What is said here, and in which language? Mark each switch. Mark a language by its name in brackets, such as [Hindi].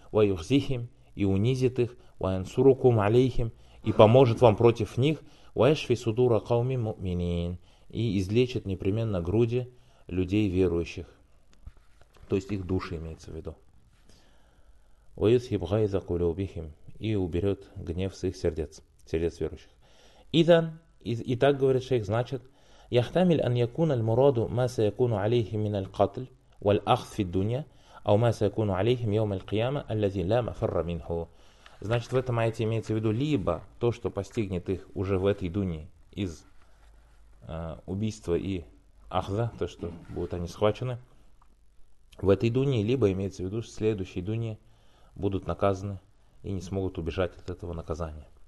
[Arabic] وَيُخْزِهِمْ [Russian] и унизит их. [Arabic] وَيَنْسُرُكُمْ عَلَيْهِمْ [Russian] и поможет вам против них. [Arabic] وَيَشْفِي صُدُورَ قَوْمِ مُؤْمِنِينَ [Russian] и излечит непременно груди людей верующих. То есть их души имеется в виду. [Arabic] وَيُذْهِبْ غَيْظَ قُلُوبِهِمْ [Russian] и уберет гнев с их сердец, сердец верующих. Итан, и так говорит шейх, значит, [Arabic] يَحْتَمِلْ أَنْ يَكُونَ الْمُرَادُ مَا سَيَكُونُ عَلَيْهِمْ مِنَ الْقَتْلِ وَالْأَخْذِ فِي الدُّنْيَا أَوْ مَا سَيَكُونُ عَلَيْهِمْ يَوْمَ الْقِيَامَةِ الَّذِي لَا مَفَرَّ مِنْهُ. [Russian] Значит, в этом аяте имеется в виду либо то, что постигнет их уже в этой дуне из убийства и ахза, то, что будут они схвачены в этой дуне, либо имеется в виду в следующей дуне будут наказаны и не смогут убежать от этого наказания.